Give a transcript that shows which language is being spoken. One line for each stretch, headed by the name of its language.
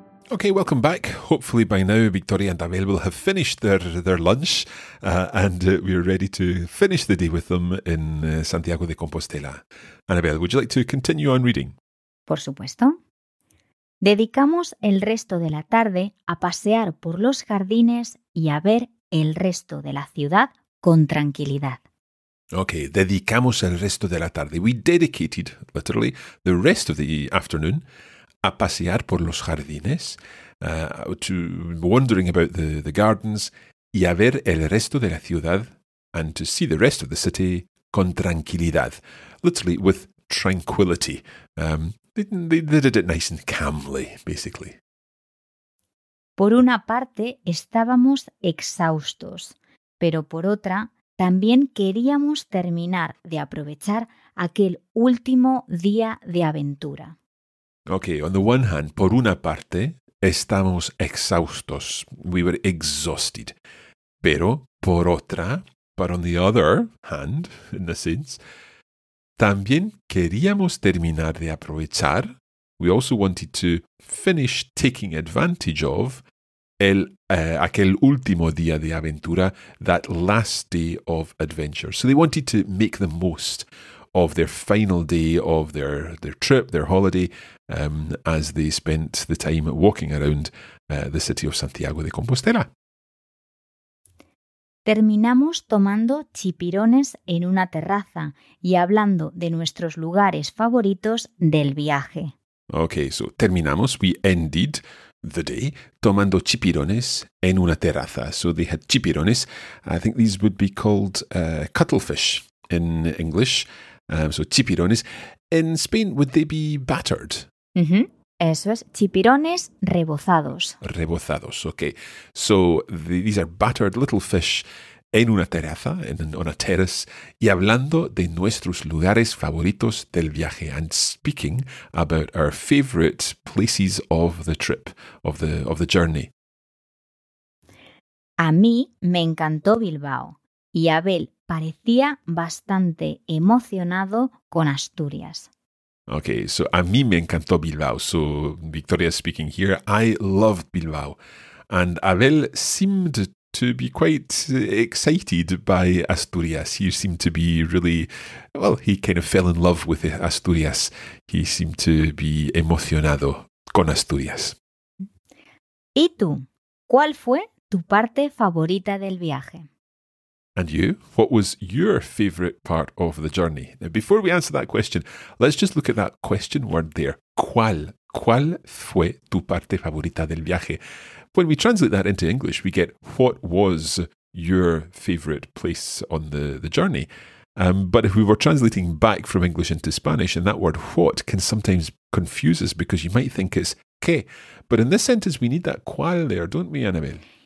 English: Okay, welcome back. Hopefully by now, Victoria and Abel will have finished their lunch and we're ready to finish the day with them in Santiago de Compostela. Anabel, would you like to continue on reading?
Spanish: Por supuesto. Dedicamos el resto de la tarde a pasear por los jardines y a ver el resto de la ciudad con tranquilidad.
English: Okay,
Spanish: dedicamos el resto de la tarde.
English: We dedicated, literally, the rest of the afternoon
Spanish: a pasear por los jardines,
English: to wandering about the gardens,
Spanish: y a ver el resto de la ciudad,
English: and to see the rest of the city
Spanish: con tranquilidad.
English: Literally, with tranquility. They did it nice and calmly, basically.
Spanish: Por una parte, estábamos exhaustos, pero por otra, también queríamos terminar de aprovechar aquel último día de aventura.
English: Okay, on the one hand,
Spanish: por una parte, estamos exhaustos.
English: We were exhausted.
Spanish: Pero por otra,
English: but on the other hand, in a sense,
Spanish: también queríamos terminar de aprovechar.
English: We also wanted to finish taking advantage of
Spanish: aquel último día de aventura,
English: that last day of adventure. So they wanted to make the most of their final day of their trip, their holiday, as they spent the time walking around the city of Santiago de Compostela.
Spanish: Terminamos tomando chipirones en una terraza y hablando de nuestros lugares favoritos del viaje.
English: Okay, so terminamos, we ended the day
Spanish: tomando chipirones en una terraza.
English: So they had chipirones. I think these would be called cuttlefish in English. So chipirones. In Spain, would they be battered? Mm-hmm.
Spanish: Eso es, chipirones rebozados.
English: Rebozados, okay. So these are battered little fish
Spanish: en una terraza,
English: on a terrace,
Spanish: y hablando de nuestros lugares favoritos del viaje,
English: and speaking about our favorite places of the trip, of the journey.
Spanish: A mí me encantó Bilbao, y Abel parecía bastante emocionado con Asturias.
English: Okay, so
Spanish: a mí me encantó Bilbao.
English: So Victoria speaking here, I loved Bilbao. And Abel seemed to be quite excited by Asturias. He seemed to be really, well, he kind of fell in love with Asturias. He seemed to be
Spanish: emocionado con Asturias. ¿Y tú? ¿Cuál fue tu parte favorita del viaje?
English: And you, what was your favorite part of the journey? Now, before we answer that question, let's just look at that question word there.
Spanish: ¿Cuál? ¿Cuál fue tu parte favorita del viaje?
English: When we translate that into English, we get, what was your favorite place on the journey? But if we were translating back from English into Spanish, and that word what can sometimes confuse us because you might think it's qué. But in this sentence, we need that cuál there, don't we, Anabel?